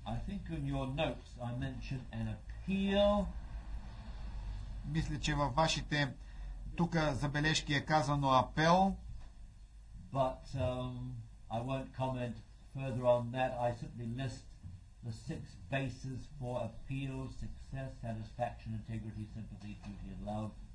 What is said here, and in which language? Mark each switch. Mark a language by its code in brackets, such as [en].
[en] I think in your notes I mentioned an appeal. [bg] Мисля, че във вашите тук забележки е казано апел. [en] But I won't comment further on that. I simply list the six bases for appeal: success, satisfaction, integrity, sympathy, duty, and love.